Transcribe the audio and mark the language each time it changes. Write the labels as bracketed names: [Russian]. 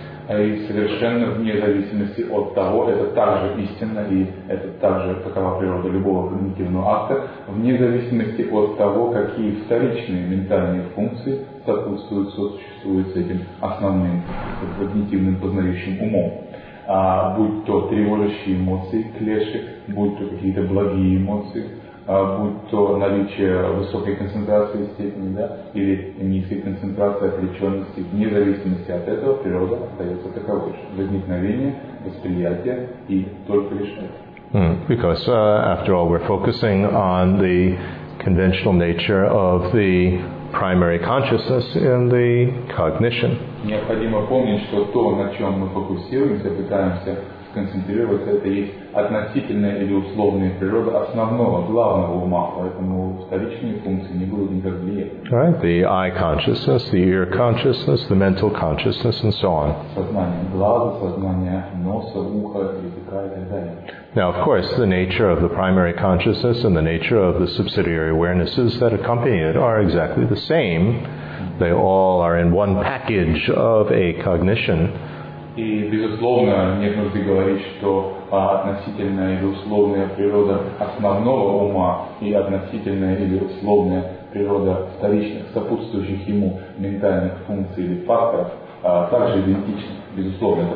[Russian] И совершенно вне зависимости от того, это также истинно, и это также такова природа любого когнитивного акта, вне зависимости от того, какие вторичные ментальные функции сопутствуют с этим основным когнитивным познающим умом. Будь то тревожащие эмоции, клеши, будь то какие-то благие эмоции, будь то наличие высокой концентрации степени, да, или низкой концентрации отвлеченности, вне зависимости от этого природа остается таковой же. Возникновение, восприятие и только лишь это. [English] Because after all, we're focusing on the conventional nature of the primary consciousness in the cognition. [Russian] Необходимо помнить, что то, на чем мы фокусируемся, пытаемся концентрироваться, это есть относительная или условная природа основного, главного ума, поэтому вторичные функции не будут никак влиять. [English] Right, the eye consciousness, the ear consciousness, the mental consciousness, and so on. [Russian] Сознание глаза, сознание носа, уха, языка и так далее. [English] Now, of course, the nature of the primary consciousness and the nature of the subsidiary awarenesses that accompany it are exactly the same. They all are in one package of a cognition. [Russian] И, безусловно, нет нужды говорить, что относительная или условная природа основного ума и относительная или условная природа вторичных, сопутствующих ему ментальных функций или факторов также идентичны, безусловно.